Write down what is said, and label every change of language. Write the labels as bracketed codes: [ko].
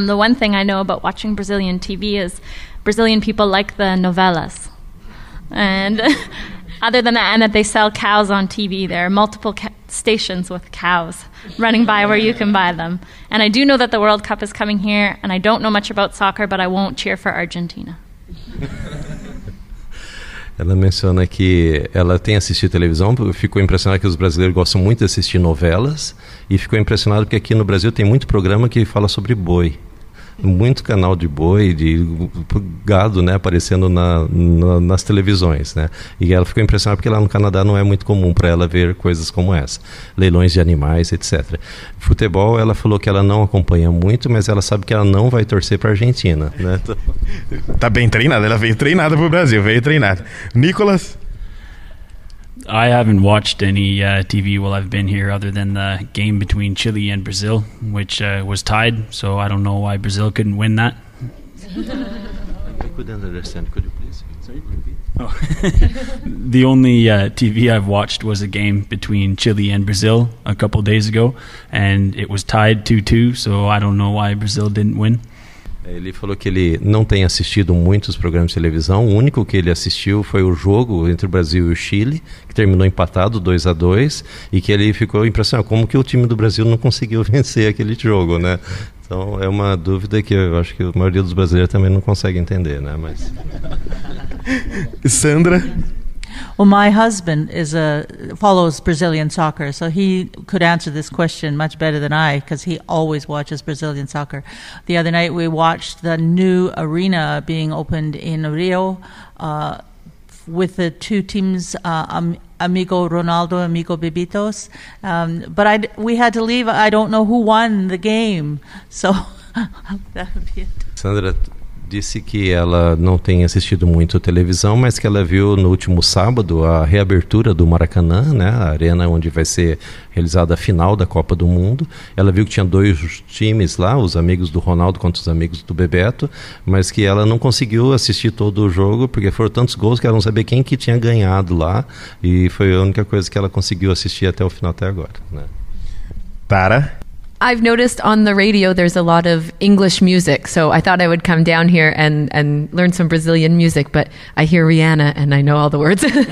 [en] The one thing I know about watching Brazilian TV is Brazilian people like the novelas. And other than that, and that they sell cows on TV, there are multiple stations with cows running by where you can buy them. And I do know that the World Cup is coming here, and I don't know much about soccer, but I won't cheer for Argentina. [pt] Ela menciona que ela tem assistido televisão, ficou impressionada que os brasileiros gostam muito de assistir novelas, e ficou impressionada porque aqui no Brasil tem muito programa que fala sobre boi. Muito canal de boi, de gado, né, aparecendo nas televisões, né? E ela ficou impressionada porque lá no Canadá não é muito comum para ela ver coisas como essa. Leilões de animais, etc. Futebol, ela falou que ela não acompanha muito, mas ela sabe que ela não vai torcer para a Argentina, né? Tá bem treinada, ela veio treinada para o Brasil, veio treinada. Nicolas? [en] I haven't watched any TV while I've been here other than the game between Chile and Brazil, which was tied, so I don't know why Brazil couldn't win that. I couldn't understand. Could you please? Sorry, repeat? The only TV I've watched was a game between Chile and Brazil a couple days ago, and it was tied 2-2, so I don't know why Brazil didn't win. [pt] Ele falou que ele não tem assistido muitos programas de televisão. O único que ele assistiu foi o jogo entre o Brasil e o Chile, que terminou empatado 2-2, e que ele ficou impressionado. Como que o time do Brasil não conseguiu vencer aquele jogo, né? Então, é uma dúvida que eu acho que a maioria dos brasileiros também não consegue entender, né? Mas... Sandra? [en] Well, my husband follows Brazilian soccer, so he could answer this question much better than I, because he always watches Brazilian soccer. The other night we watched the new arena being opened in Rio with the two teams, Amigo Ronaldo, Amigo Bebitos. But we had to leave. I don't know who won the game, so that would be it. [pt] Sandra disse que ela não tem assistido muito televisão, mas que ela viu no último sábado a reabertura do Maracanã, né, a arena onde vai ser realizada a final da Copa do Mundo. Ela viu que tinha dois times lá, os amigos do Ronaldo contra os amigos do Bebeto, mas que ela não conseguiu assistir todo o jogo, porque foram tantos gols que ela não sabia quem que tinha ganhado lá, e foi a única coisa que ela conseguiu assistir até o final, até agora. Né? Tara? [en] I've noticed on the radio there's a lot of English music, so I thought I would come down here and learn some Brazilian music, but I hear Rihanna and I know all the words.